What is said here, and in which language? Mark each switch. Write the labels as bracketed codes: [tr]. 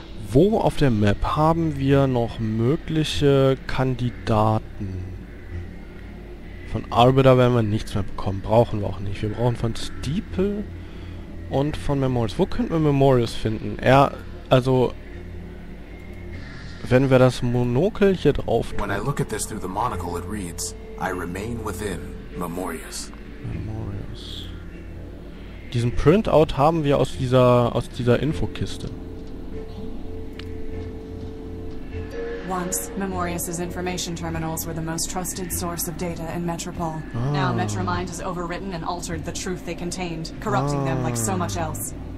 [de] Wo auf der Map haben wir noch mögliche Kandidaten? Von Arbiter werden wir nichts mehr bekommen. Brauchen wir auch nicht. Wir brauchen von Steeple und von Memorials. Wo könnten wir Memorials finden? Er, also... Wenn wir das Monokel hier drauf tun. [en] When I look at this through the monocle, it reads, I remain within Memorius. Memorius. [de] Diesen Printout haben wir aus dieser Infokiste. [en] Once, Memorius's information terminals were the most trusted source of data in Metropol. Now Metromind has overwritten and altered the truth they contained, corrupting them like so much else.